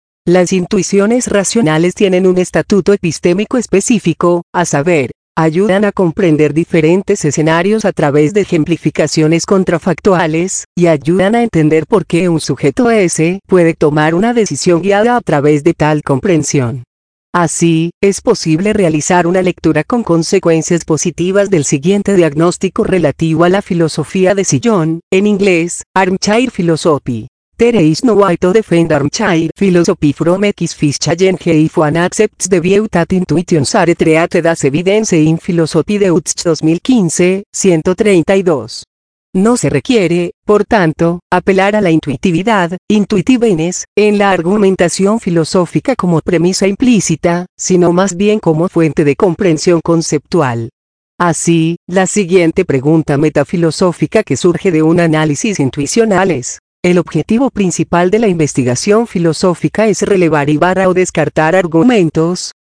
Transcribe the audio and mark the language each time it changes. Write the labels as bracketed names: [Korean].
[Spanish] Las intuiciones racionales tienen un estatuto epistémico específico, a saber, ayudan a comprender diferentes escenarios a través de ejemplificaciones contrafactuales, y ayudan a entender por qué un sujeto S puede tomar una decisión guiada a través de tal comprensión. Así, es posible realizar una lectura con consecuencias positivas del siguiente diagnóstico relativo a la filosofía de sillón, en inglés, armchair philosophy. [English] There is no way to defend armchair philosophy from X fish challenge if one accepts the view that intuitions are treated as evidence in philosophy de Utz 2015, 132. [Spanish] No se requiere, por tanto, apelar a la intuitividad, intuitiveness, en la argumentación filosófica como premisa implícita, sino más bien como fuente de comprensión conceptual. Así, la siguiente pregunta metafilosófica que surge de un análisis intuicional es: el objetivo principal de la investigación filosófica es relevar y barra o descartar argumentos.